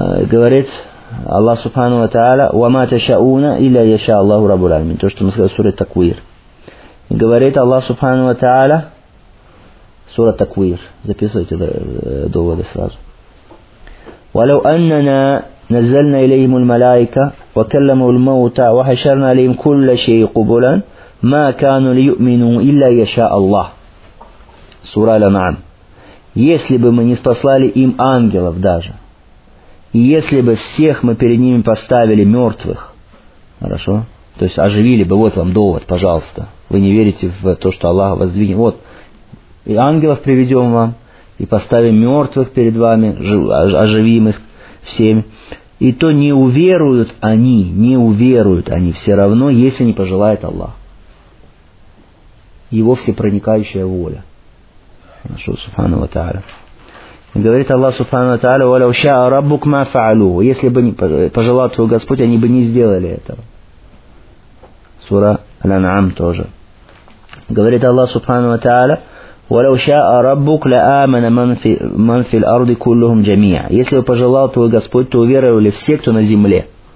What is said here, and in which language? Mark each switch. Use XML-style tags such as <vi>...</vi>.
<ru>Говорит Аллах Субхану ва Тааля,</ru> <ar>وَمَا تَشَاءُونَ إِلَّا يَشَاءَ اللَّهُ رَبُّ الْعَالَمِينَ.</ar> <ru>То, что мы сказали в суре Таквир. Говорит Аллах Субхану ва Тааля, сура Таквир. Записывайте доводы сразу.</ru> <ar>ولو أننا نزلنا إليهم الملائكة وكلموا الموتى وحشرنا عليهم كل شيء قبلا ما كانوا ليؤمنوا إلا يشاء الله. سورة الأنعام.</ar> <ru>Если бы мы не спаслали им ангелов даже, и если бы всех мы перед ними поставили мертвых, хорошо, то есть оживили бы, вот вам довод, пожалуйста, вы не верите в то, что Аллах воздвинет, вот, и ангелов приведем вам, и поставим мертвых перед вами, оживимых всеми. И то не уверуют они, не уверуют они все равно, если не пожелает Аллах. Его всепроникающая воля. Хорошо, субхану ва тааля. Говорит Аллах, субхану ва тааля,</ru> <ar>«Валяу шаа раббук ма фаалуху».</ar> <ru>Если бы не пожелал твой Господь, они бы не сделали этого. Сура Аль-Ан'ам тоже. Говорит Аллах, субхану ва тааля,</ru> <ar>ولو شاء ربك لآمن من في الأرض كلهم جميعا.</ar> <ru>Если бы пожелал твой Господь, то уверовали все, кто на земле.</ru>